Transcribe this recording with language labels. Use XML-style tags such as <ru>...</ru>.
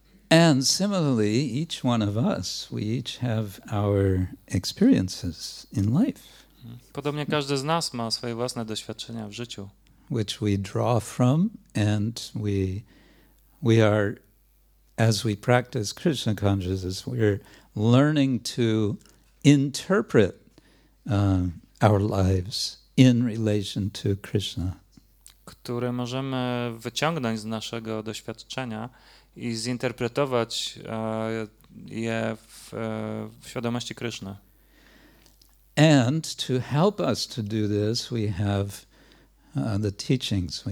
<en>And similarly, each one of us, we each have our experiences in life.</en> <pl>Podobnie każdy z nas ma swoje własne doświadczenia w życiu,</pl> <en>which we draw from, and we are, as we practice Krishna consciousness, we're learning to interpret our lives in relation to Krishna,</en> <pl>które możemy wyciągnąć z naszego doświadczenia i zinterpretować je w świadomości Krishna.</pl> <en>And to help us to do this, we have the teachings.</en>